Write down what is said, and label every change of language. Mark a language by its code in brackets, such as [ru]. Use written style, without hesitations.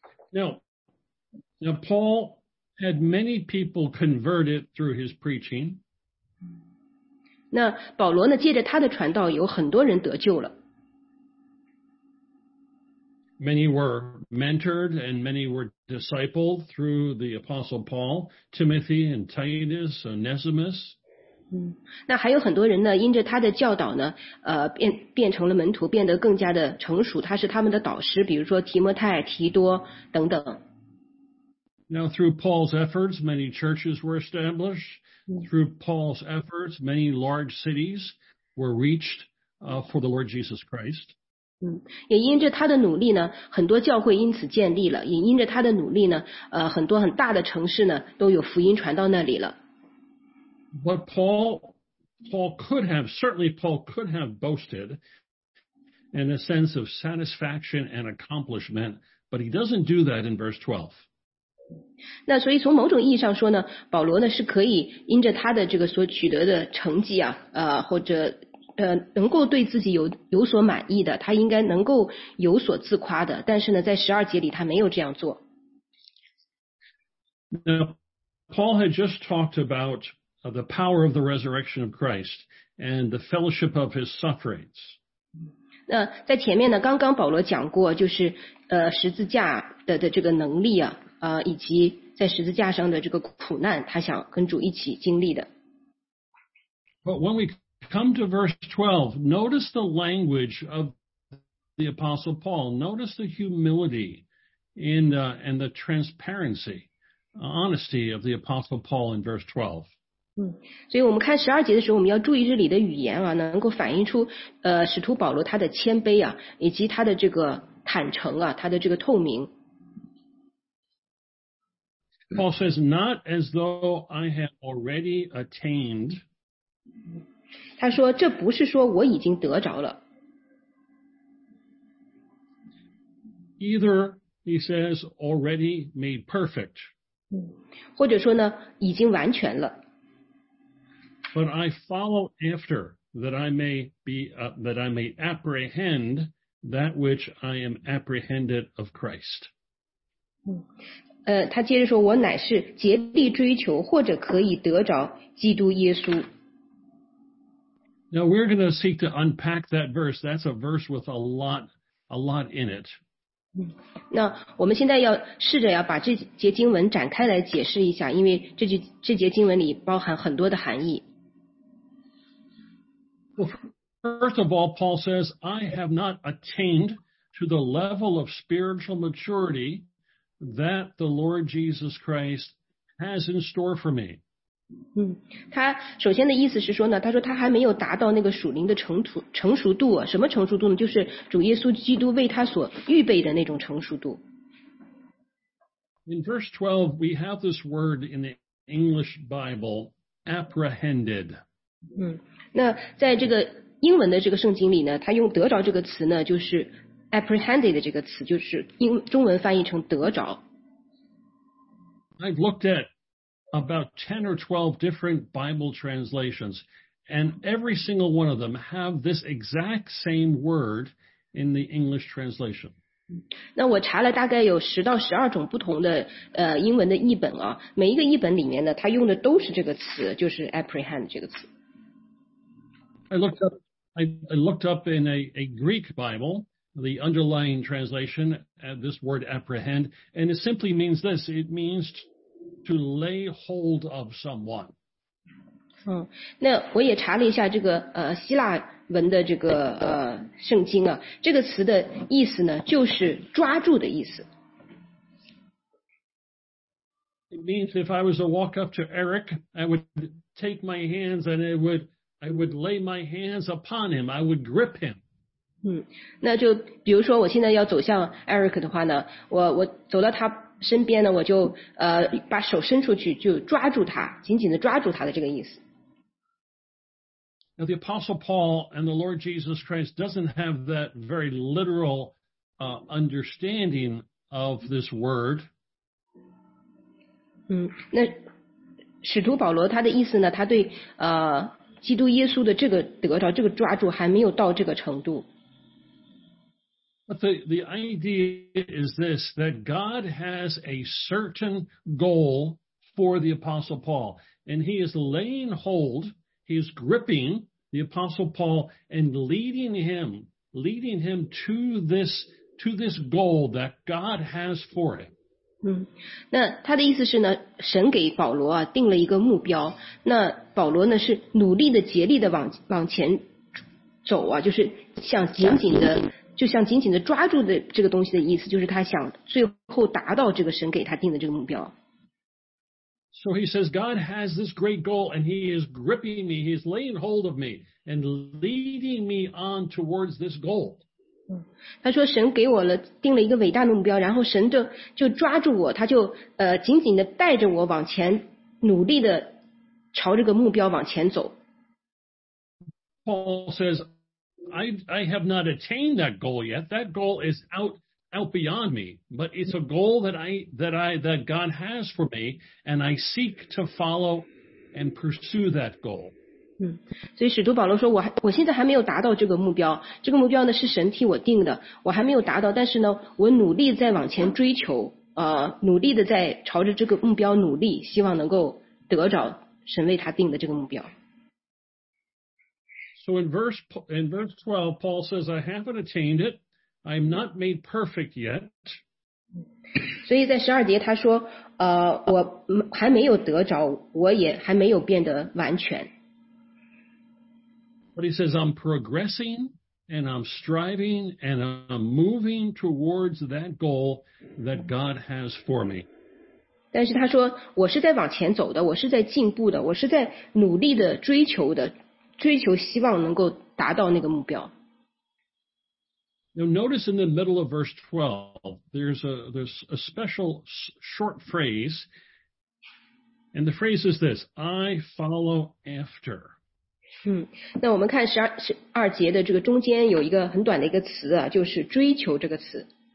[en] Now, Paul had many people converted through his preaching. [zh] 那保罗呢借着他的传道有很多人得救了。 [en] many were mentored and many were discipled through the Apostle Paul, Timothy and Titus, Onesimus. [zh] 那还有很多人呢，因着他的教导呢，变成了门徒，变得更加的成熟。他是他们的导师，比如说提摩太、提多等等。 [en] Now through Paul's efforts, many churches were established. Through Paul's efforts, many large cities were reached for the Lord Jesus Christ. [zh] 也因着他的努力呢，很多教会因此建立了。也因着他的努力呢，很多很大的城市呢，都有福音传到那里了。 [en] But Paul could have boasted in a sense of satisfaction and accomplishment, but he doesn't do that in verse 12. [zh] 那所以从某种意义上说呢，保罗呢是可以因着他的这个所取得的成绩啊，或者能够对自己有所满意的，他应该能够有所自夸的，但是呢，在十二节里他没有这样做。 [en] Now, Paul had just talked about the power of the resurrection of Christ and the fellowship of his sufferings. [zh] 那在前面呢，刚刚保罗讲过，就是十字架的这个能力啊，以及在十字架上的这个苦难，他想跟主一起经历的。 [en] But when we come to verse 12, notice the language of the Apostle Paul. Notice the humility and the transparency, honesty of the Apostle Paul in verse 12. [zh] 所以我们看十二节的时候，我们要注意这里的语言啊，能够反映出使徒保罗他的谦卑啊，以及他的这个坦诚啊，他的这个透明。 [en] Paul says, "Not as though I have already attained." [zh] 他说，这不是说我已经得着了。 [en] Either he says already made perfect. [zh] 或者说呢，已经完全了。 [en] But I follow after that I may be, that I may apprehend that which I am apprehended of Christ. [zh] 他接着说，我乃是竭力追求，或者可以得着基督耶稣。 [en] Now we're going to seek to unpack that verse. That's a verse with a lot in it. [zh] 那我们现在要试着要把这节经文展开来解释一下，因为这节经文里包含很多的含义。 [en] First of all, Paul says, I have not attained to the level of spiritual maturity that the Lord Jesus Christ has in store for me. [zh] 他首先的意思是说呢，他说他还没有达到那个属灵的成熟度啊，什么成熟度呢？就是主耶稣基督为他所预备的那种成熟度。 [en] In verse 12, we have this word in the English Bible, apprehended. [zh] 那在这个英文的这个圣经里呢，他用得着这个词呢，就是 apprehended 这个词，就是中文翻译成得着。 [en] I've looked at about 10 or 12 different Bible translations, and every single one of them have this exact same word in the English translation. [zh] 那我查了大概有10到12种不同的英文的译本啊，每一个译本里面呢，他用的都是这个词，就是 apprehend 这个词。 [en] I looked up in a Greek Bible, the underlying translation, this word apprehend, and it simply means this. It means to lay hold of someone. [zh] 那我也查了一下这个希腊文的这个圣经啊，这个词的意思呢，就是抓住的意思。 [en] It means if I was to walk up to Eric, I would take my hands and I would lay my hands upon him. I would grip him. [zh] 那就比如说我现在要走向 Eric 的话呢，我走到他身边呢，我就把手伸出去，就抓住他，紧紧的抓住他的这个意思。 [en] Now the Apostle Paul and the Lord Jesus Christ doesn't have that very literal understanding of this word. [zh] 那使徒保罗他的意思呢，他对基督耶稣的这个得着，这个抓住还没有到这个程度。 [en] But the idea is this, that God has a certain goal for the Apostle Paul, and he is laying hold, he is gripping the Apostle Paul and leading him to this to this goal that God has for him. [zh] 那他的意思是呢，神给保罗啊定了一个目标，那保罗呢是努力的竭力的往前走啊，就是想紧紧的，就像紧紧的抓住的这个东西的意思，就是他想最后达到这个神给他定的这个目标。 [en] So he says, God has this great goal, and he is gripping me, he is laying hold of me, and leading me on towards this goal. [zh] 他说神给我了定了一个伟大的目标，然后神就抓住我，他就紧紧的带着我往前，努力的朝这个目标往前走。 [en] Paul says, I have not attained that goal yet. That goal is out beyond me, but it's a goal that God has for me, and I seek to follow and pursue that goal. [zh] 所以使徒保罗说，我现在还没有达到这个目标，这个目标呢是神替我定的，我还没有达到，但是呢，我努力在往前追求，努力的在朝着这个目标努力，希望能够得着神为他定的这个目标。 [en] So in verse 12, Paul says, I haven't attained it. I'm not made perfect yet. [zh] 所以在十二节他说，我还没有得着，我也还没有变得完全。 [en] But he says, I'm progressing and I'm striving and I'm moving towards that goal that God has for me. [zh] 但是他说，我是在往前走的，我是在进步的，我是在努力的追求的。追求希望能够达到那个目标。 [en] Now notice in the middle of verse 12, there's a special short phrase, and the phrase is this, I follow after. [zh] 那我们看12节的这个中间有一个很短的一个词啊，就是追求这个词。